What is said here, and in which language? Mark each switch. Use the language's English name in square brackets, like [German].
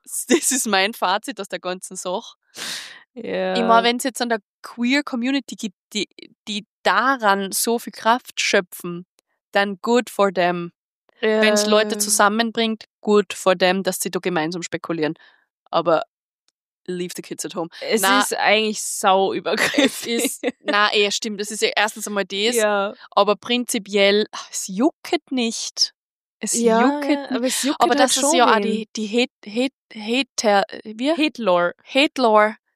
[German] So, das ist mein Fazit aus der ganzen Sache. Yeah. Ich meine, wenn es jetzt an der Queer Community gibt, die daran so viel Kraft schöpfen, dann [English] good for them. Yeah. [German] Wenn es Leute zusammenbringt, [English] good for them, [German] dass sie da gemeinsam spekulieren. Aber [English] leave the kids at home. [German] Es nein, ist eigentlich sau übergriffig. Stimmt. Das ist ja erstens einmal das. Ja. Aber prinzipiell, es juckt nicht. Es ja, juckt ja, nicht. Aber das schon ist ja auch die Hate-Lore.